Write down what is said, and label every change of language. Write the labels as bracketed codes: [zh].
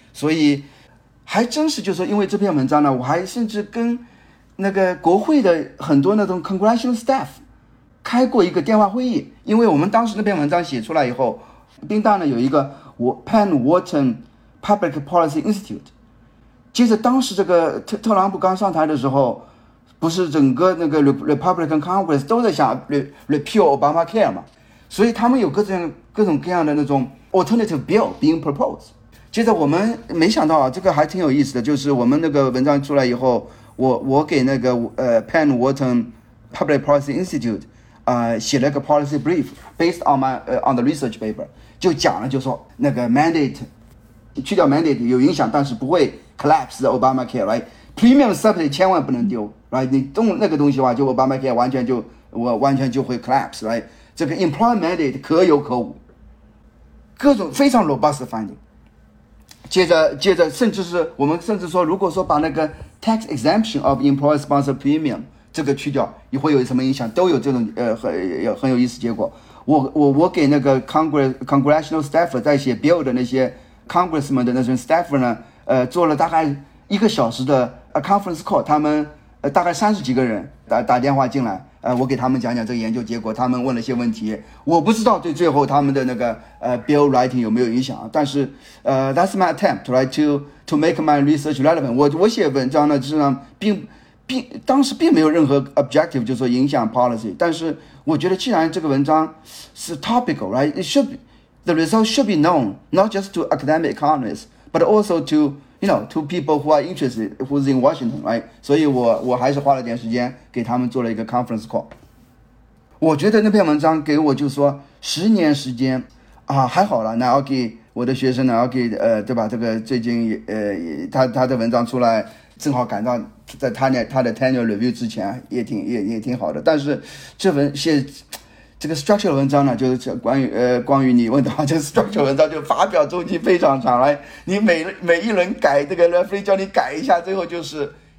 [zh] 所以还真是就是说，因为这篇文章呢，我还甚至跟那个国会的很多那种 congressional staff 开过一个电话会议，因为我们当时那篇文章写出来以后，宾大呢有一个 Penn Wharton Public Policy Institute， 接着当时这个特朗普刚上台的时候，不是整个那个 Republican Congress 都在想 repeal Obamacare 嘛，所以他们有各种各样的那种 [en] alternative bill being proposed。 [zh] 接着我们没想到啊，这个还挺有意思的，就是我们那个文章出来以后，我给那个Penn Wharton Public Policy Institute 写了个 [en] policy brief based on my on the research paper， [zh] 就讲了，就说那个 mandate 去掉 mandate 有影响，但是不会 [en] collapse the Obamacare， [zh] right？ Premium subsidy 千万不能丢， right？你动那个东西的话，就 Obamacare 完全就我完全就会 collapse， right？这个 employment mandate 可有可无，各种非常 robust 的 finding。接着，甚至是我们甚至说，如果说把那个 [en] tax exemption of employer sponsored premium。 [zh] 这个去掉你会有什么影响，都有这种很有意思结果。我给那个 congressional staff 在写 bill 的那些 congressman 的那些 staff 呢做了大概一个小时的 conference call， 他们大概三十几个人打电话进来，我给他们讲讲这个研究结果，他们问了些问题，我不知道对最后他们的那个bill writing 有没有影响，但是 [en] that's my attempt right to make my research relevant。 [zh] 我写文章呢实际上当时并没有任何 objective， 就是说影响 policy， 但是我觉得既然这个文章是 topical， right， [en] the result should be known not just to academic economists but also to you know to people who are interested who's in Washington， [zh] right， 所以我还是花了点时间给他们做了一个 conference call。我觉得那篇文章给我就是说十年时间啊，还好了，那要给我的学生呢，要给对吧，这个最近他的文章出来正好赶到在他的 tenure review 之前，也挺好的。但是这文写这个 structural 文章呢，就是关于你问的话，这 structural 文章就发表周期非常长，来你每一轮改这个 referee 叫你改一下，最后就是